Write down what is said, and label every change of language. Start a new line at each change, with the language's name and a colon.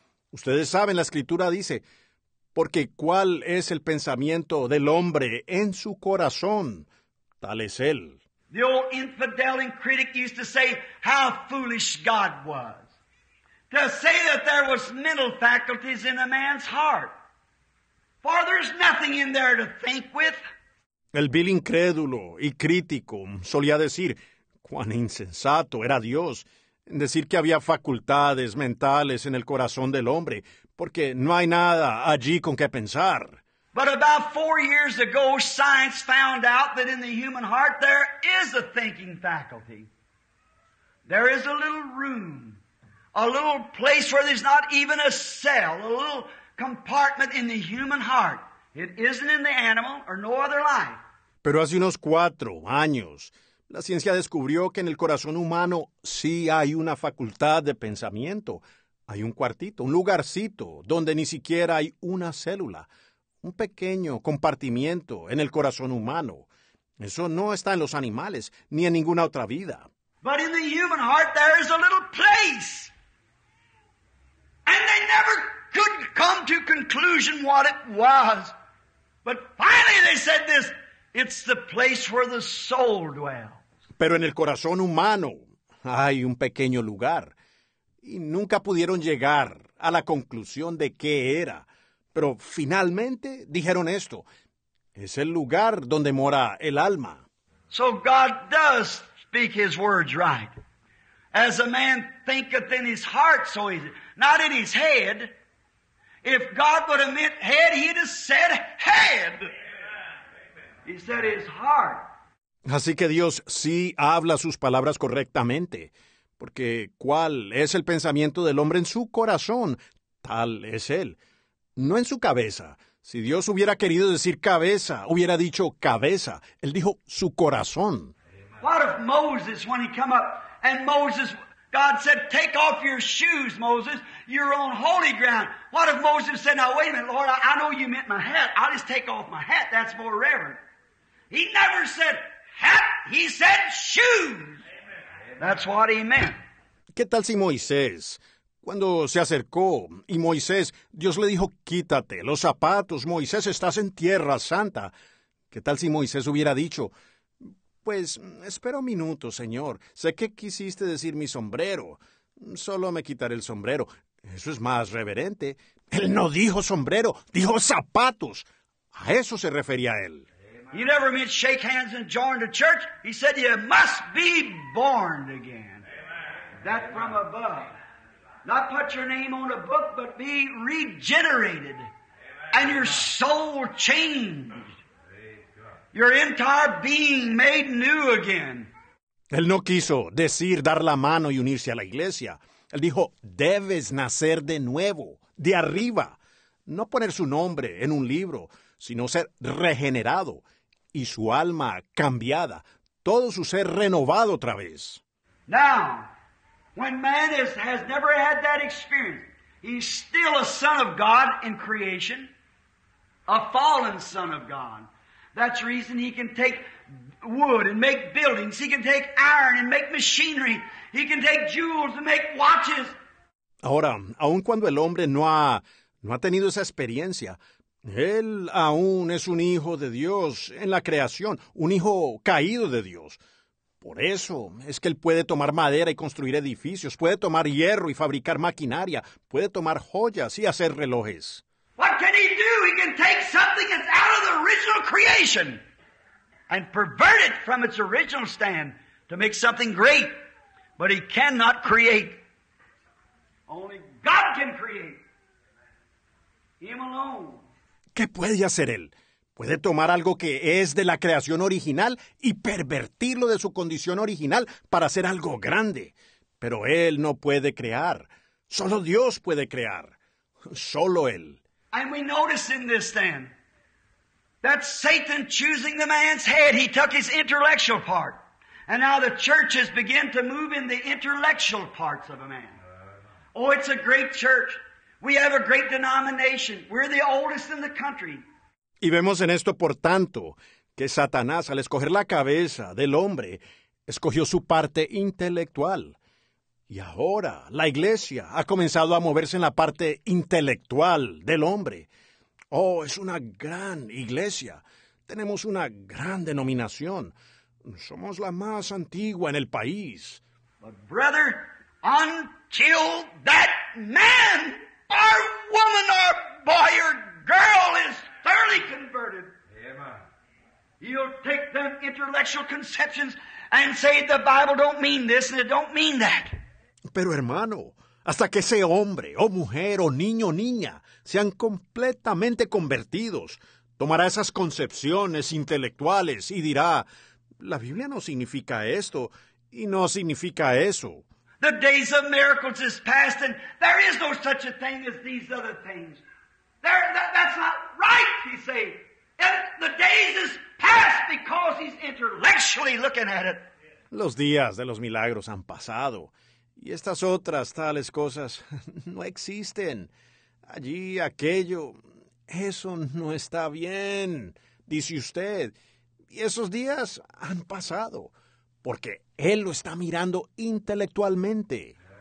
Spanish: Ustedes saben, la escritura dice, porque ¿cuál es el pensamiento del hombre en su corazón? Tal es él.
English: The old infidel and critic used to say how foolish God was to say that there was mental faculties in a man's heart. For there's nothing in there to think with.
Spanish: El vil incrédulo y crítico solía decir cuán insensato era Dios en decir que había facultades mentales en el corazón del hombre, porque no hay nada allí con qué pensar.
English: But about 4 years ago, science found out that in the human heart there is a thinking faculty. There is a little room, a little place where there's not even a cell, a little compartment in the human heart. It isn't in the animal or no other life.
Spanish: Pero hace unos 4 años, La ciencia descubrió que en el corazón humano sí hay una facultad de pensamiento. Hay un cuartito, un lugarcito, donde ni siquiera hay una célula. Un pequeño compartimiento en el corazón humano. Eso no está en los animales, ni en ninguna otra vida.
English: But in the human heart there is a little place. And they never could come to conclusion what it was. But finally they said this, it's the place where the soul dwells.
Spanish: Pero en el corazón humano hay un pequeño lugar. Y nunca pudieron llegar a la conclusión de qué era. Pero finalmente dijeron esto, es el lugar donde mora el alma.
English: So God does speak his words right. As a man thinketh in his heart, so is it. Not in his head. If God would have meant head, he'd have said head. He said his heart.
Spanish: Así que Dios sí habla sus palabras correctamente. Porque ¿cuál es el pensamiento del hombre en su corazón? Tal es él. No en su cabeza. Si Dios hubiera querido decir cabeza, hubiera dicho cabeza. Él dijo su corazón.
English: What if Moses, when he come up, and Moses, God said, take off your shoes, Moses, you're on holy ground. What if Moses said, now wait a minute, Lord, I know you meant my hat. I'll just take off my hat. That's more reverent. He never said hat. He said shoes. Amen. That's what he meant.
Spanish: ¿Qué tal si Moisés, cuando se acercó y Moisés, Dios le dijo, quítate los zapatos, Moisés, estás en tierra santa? ¿Qué tal si Moisés hubiera dicho, pues, espera un minuto, Señor, sé que quisiste decir mi sombrero, solo me quitaré el sombrero, eso es más reverente? Él no dijo sombrero, dijo zapatos, a eso se refería él.
English: You never meant shake hands and join the church, he said you must be born again, that from above. Not put your name on a book, but be regenerated. Amen. And your soul changed. Your entire being made new again.
Spanish: Él no quiso decir dar la mano y unirse a la iglesia. Él dijo, debes nacer de nuevo, de arriba. No poner su nombre en un libro, sino ser regenerado y su alma cambiada. Todo su ser renovado otra vez.
English: Now, when man has never had that experience, he's still a son of God in creation, a fallen son of God. That's the reason he can take wood and make buildings. He can take iron and make machinery. He can take jewels and make watches.
Spanish: Ahora, aun cuando el hombre no ha tenido esa experiencia, él aún es un hijo de Dios en la creación, un hijo caído de Dios. Por eso es que él puede tomar madera y construir edificios, puede tomar hierro y fabricar maquinaria, puede tomar joyas y hacer relojes.
English: What can he do? He can take something that's out of the original creation and pervert it from its original stand to make something great. But he cannot create. Only God can create. Him alone.
Spanish: ¿Qué puede hacer él? Puede tomar algo que es de la creación original y pervertirlo de su condición original para hacer algo grande. Pero él no puede crear. Solo Dios puede crear. Solo él.
English: And we notice in this then that Satan choosing the man's head, he took his intellectual part. And now the churches begin to move in the intellectual parts of a man. Oh, it's a great church. We have a great denomination. We're the oldest in the country.
Spanish: Y vemos en esto, por tanto, que Satanás, al escoger la cabeza del hombre, escogió su parte intelectual. Y ahora la iglesia ha comenzado a moverse en la parte intelectual del hombre. Oh, es una gran iglesia. Tenemos una gran denominación. Somos la más antigua en el país.
English: But brother, until that man, or woman, or boy, or girl is thoroughly converted. Amen. He'll take them intellectual conceptions and say the Bible don't mean this and it don't mean that.
Spanish: Pero hermano, hasta que ese hombre, o mujer, o niño, niña, sean completamente convertidos, tomará esas concepciones intelectuales y dirá, la Biblia no significa esto y no significa eso.
English: The days of miracles is past and there is no such a thing as these other things. That's not right, he said. And the days is past because he's intellectually looking at it. Amen.
Spanish: los días de los milagros han pasado, y estas otras tales cosas no existen. Allí, aquello, eso no está bien, dice usted, y esos días han pasado, porque él lo está mirando intelectualmente.